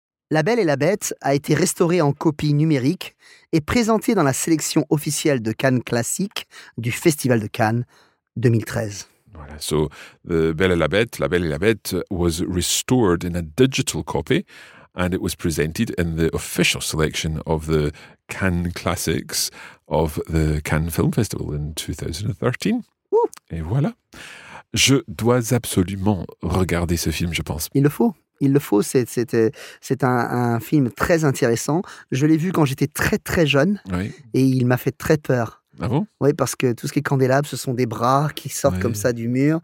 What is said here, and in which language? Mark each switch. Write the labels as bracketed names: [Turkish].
[French] La Belle et la Bête a été restaurée en copie numérique et présentée dans la sélection officielle de Cannes Classique du Festival de Cannes 2013. Voilà. [English] So, the Belle et la Bête, La Belle et la Bête was restored in a digital copy and it was presented in the official selection of the Cannes Classics of the Cannes Film Festival in 2013. [French] Ouh. Et voilà. Je dois absolument regarder ce film, je pense. Il le faut. C'est un film très intéressant. Je l'ai vu quand j'étais très, très jeune. Oui. Et il m'a fait très peur. Ah bon? Oui, parce que tout ce qui est candélabre, ce sont des bras qui sortent comme ça du mur.